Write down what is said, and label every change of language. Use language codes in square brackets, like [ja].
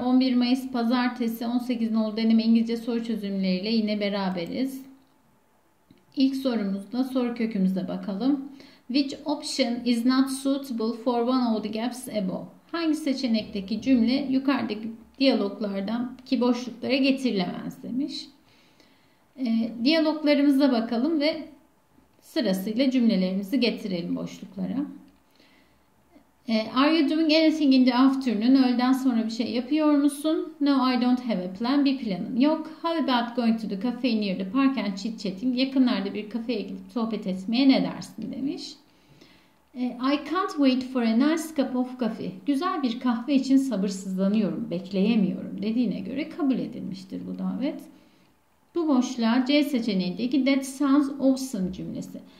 [tr] 11 Mayıs Pazartesi 18.00 deneme İngilizce soru çözümleriyle yine beraberiz. İlk sorumuzda soru kökümüze bakalım. [en] Which option is not suitable for one of the gaps above? [tr] Hangi seçenekteki cümle yukarıdaki diyaloglardan ki boşluklara getirilemez demiş. Diyaloglarımıza bakalım ve sırasıyla cümlelerimizi getirelim boşluklara. [en] Are you doing anything in the afternoon? [tr] Öğleden sonra bir şey yapıyor musun? [en] No, I don't have a plan. [tr] Bir planın yok. [en] How about going to the cafe near the park and chit-chatting? [tr] Yakınlarda bir kafeye gidip sohbet etmeye ne dersin demiş. [en] I can't wait for a nice cup of coffee. [tr] Güzel bir kahve için sabırsızlanıyorum, bekleyemiyorum dediğine göre kabul edilmiştir bu davet. Bu boşluğa C seçeneğindeki [en] that sounds awesome [tr] cümlesi.